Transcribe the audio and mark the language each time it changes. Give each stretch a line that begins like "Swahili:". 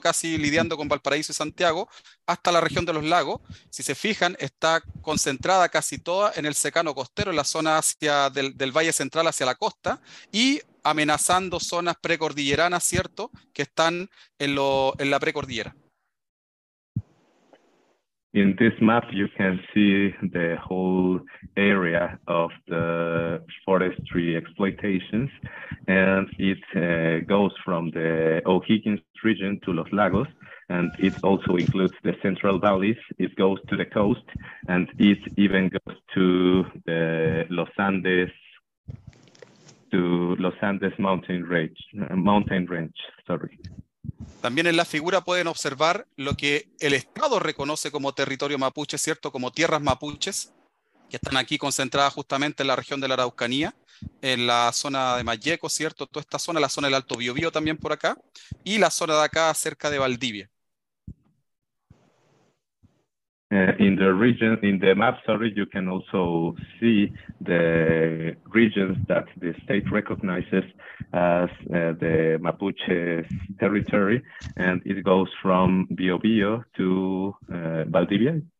Spanish: Casi lidiando con Valparaíso y Santiago, hasta la región de los lagos. Si se fijan, está concentrada casi toda en el secano costero, en la zona hacia del Valle Central hacia la costa, y amenazando zonas precordilleranas, ¿cierto?, que están en la precordillera.
English: In this map, you can see the whole area of the forestry exploitations, and it goes from the O'Higgins region to Los Lagos, and it also includes the Central Valleys. It goes to the coast, and it even goes to the Los Andes mountain range.
Spanish: También en la figura pueden observar lo que el Estado reconoce como territorio mapuche, ¿cierto? Como tierras mapuches, que están aquí concentradas justamente en la región de la Araucanía, en la zona de Malleco, ¿cierto? Toda esta zona, la zona del Alto Biobío también por acá, y la zona de acá cerca de Valdivia.
English: In the map, you can also see the regions that the state recognizes as the Mapuche's territory, and it goes from Biobío to Valdivia.